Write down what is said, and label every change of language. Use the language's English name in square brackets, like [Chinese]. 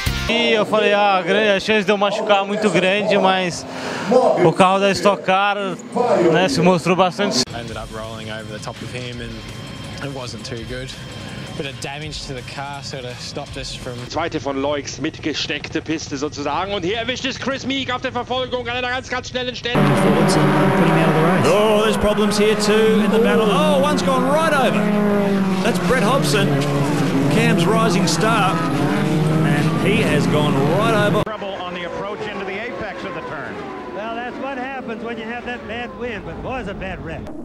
[Portuguese] Eu falei, a chance de eu machucar muito grande, mas o carro da Stock Car, né, se mostrou bastante. [English] Ended up rolling over the top of him and it wasn't too good. Bit of damage to the car sort of stopped us from. [German] Zweite von Loiks mitgesteckte Piste sozusagen und hier erwischt es Chris Meek auf der Verfolgung an einer ganz schnellen Stelle. [English] Oh, there's problems here too in the battle. Oh, one's gone right over. That's Brett Hobson, Cam's rising star. He has gone right over. Trouble on the approach into the apex of the turn. Well, that's what happens when you have that bad wind, but boy, it's a bad wreck.